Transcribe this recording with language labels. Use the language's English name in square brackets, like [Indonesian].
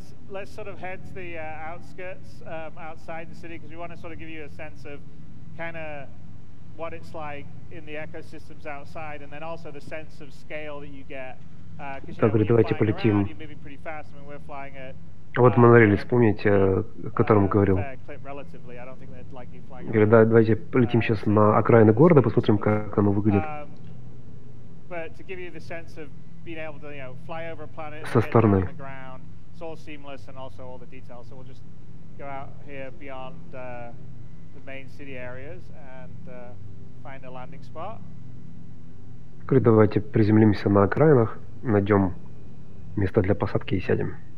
[English] Let's sort of head to the outskirts outside the city, because we want to sort of give you a sense of kind of what it's like in the ecosystems outside, and then also the sense of scale that you get. [Russian] Давайте полетим. [English] Fast, I mean, we're flying at, [Russian] вот монорель, вспомните, о котором говорил. Говорю, да, давайте полетим сейчас на окраины города, посмотрим, как оно выглядит. [English] But to give you the sense of being able to, you know, fly over a planet [Russian] со стороны. [English] It's all seamless and also all the details. So we'll just go out here beyond the main city areas and find a landing spot. [Russian] Говорит, давайте приземлимся на окраинах, найдем место для посадки и сядем.